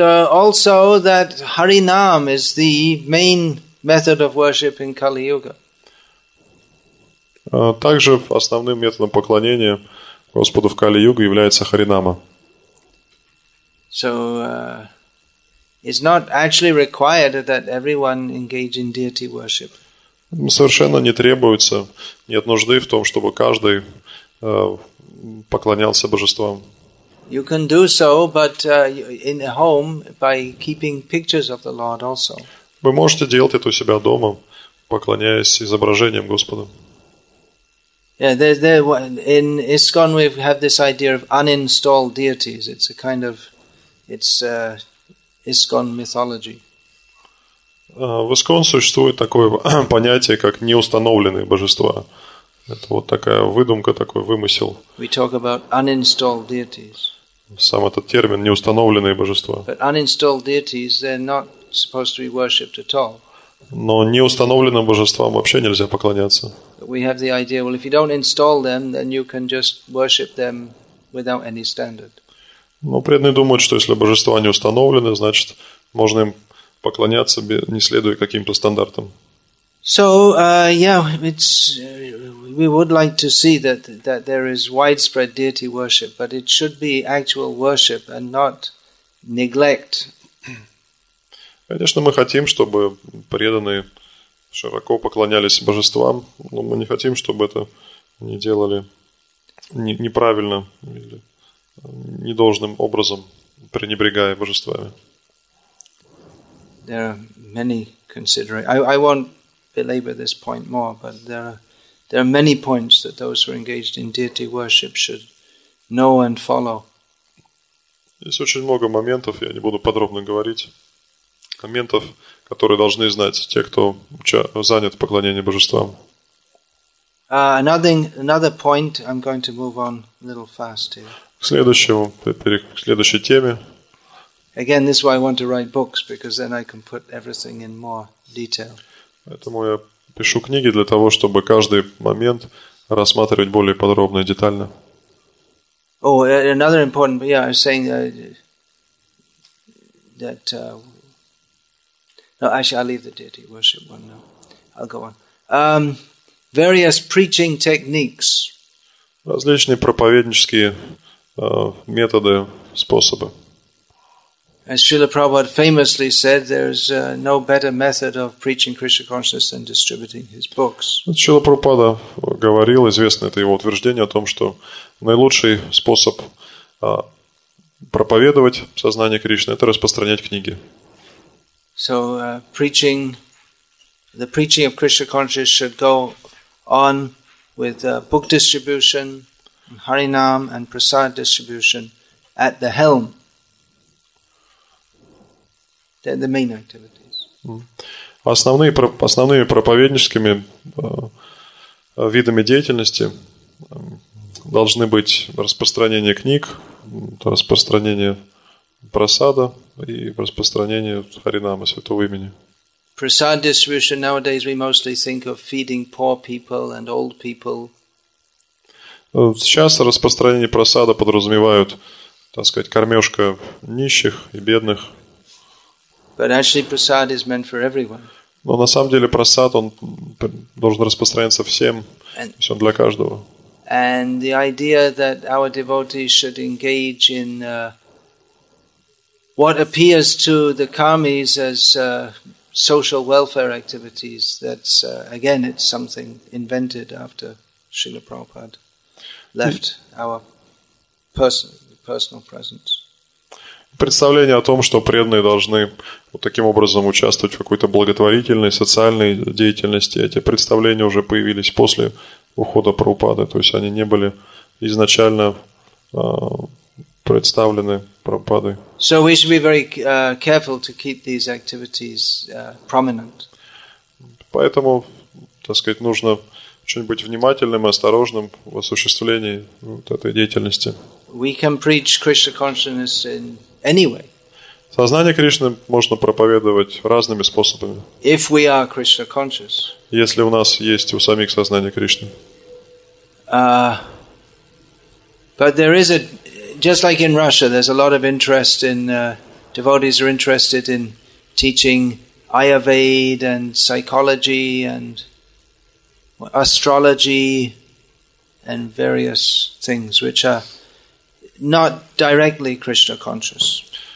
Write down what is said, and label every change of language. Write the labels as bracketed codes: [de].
[en] Also that Harinam is the main method of worship in Kali Yuga. [ru] Также основным методом поклонения Господу в Кали Юге является Харинама. [en] So it's not actually required that everyone engage in deity worship. [ru] Совершенно не требуется, нет нужды в том, чтобы каждый поклонялся божествам. [en] You can do so, but in a home by keeping pictures of the Lord also. [ru] Вы можете делать это у себя дома, поклоняясь изображениям Господа. [en] Yeah, there in ISKCON we have this idea of uninstalled deities. It's a kind of ISKCON mythology. [ru] В ISKCON существует такое понятие, как неустановленные божества. Это вот такая выдумка, такой вымысел. [en] We talk about uninstalled deities. [ru] Сам этот термин неустановленные божества. [en] But uninstalled deities, they're not supposed to be worshipped at all. [ru] Но неустановленным божествам вообще нельзя поклоняться. [en] We have the idea, well, if you don't install them, then you can just worship them without any standard. [ru] Но преданные думают, что если божества не установлены, значит, можно им поклоняться, не следуя каким-то стандартам. [en] So, we would like to see that there is widespread deity worship, but it should be actual worship and not neglect. [ru] Конечно, мы хотим, чтобы преданные широко поклонялись божествам, но мы не хотим, чтобы это они делали неправильно или недолжным образом, пренебрегая божествами. [en] There are many considerations. I won't belabor this point more, but there are many points that those who are engaged in deity worship should know and follow. [ru] Есть очень много моментов, я не буду подробно говорить. Моментов, которые должны знать те, кто занят поклонением божествам. [en] Another point, I'm going to move on a little fast here. [ru] К следующей теме. [en] Again, this is why I want to write books, because then I can put everything in more detail. [ru] Поэтому я пишу книги для того, чтобы каждый момент рассматривать более подробно и детально. [en] Oh, another important, yeah, I was saying that no, actually, I'll leave the deity worship one now. I'll go on. Various preaching techniques. [ru] Различные проповеднические методы, способы. [en] As Srila Prabhupada famously said, there is no better method of preaching Krishna consciousness than distributing his books. [ru] Srila Prabhupada говорил, известно это его утверждение о том, что наилучший способ проповедовать сознание Кришны – это распространять книги. [en] So the preaching of Krishna consciousness should go on with book distribution, Harinam and Prasad distribution at the helm. The main activities. [ru] Основными проповедническими видами деятельности должны быть распространение книг, распространение Прасада и распространение Харинама, святого имени. [en] Prasad distribution nowadays we mostly think of feeding poor people and old people. [ru] Сейчас распространение прасада подразумевают, так сказать, кормежка нищих и бедных. [en] But actually prasad is meant for everyone. [ru] Но на самом деле прасад, он должен распространяться всем, всем для каждого. [en] And the idea that our devotees should engage in what appears to the karmis as social welfare activities, that's, again, it's something invented after Srila Prabhupada left our personal presence. [ru] Представление о том, что преданные должны вот таким образом участвовать в какой-то благотворительной, социальной деятельности, эти представления уже появились после ухода Прабхупады, то есть они не были изначально представлены Прабхупадой. [en] So we should be very careful to keep these activities prominent. [ru] Поэтому, так сказать, нужно очень быть внимательным и осторожным в осуществлении вот этой деятельности. [en] We can preach Krishna consciousness in any way. [ru] Сознание Кришны можно проповедовать разными способами. [en] If we are Krishna conscious. [ru] Если у нас есть у самих сознание Кришны. [en] But there is a just like in Russia, there's a lot of interest in devotees are interested in teaching Ayurveda and psychology and astrology and various things which are not directly Krishna conscious.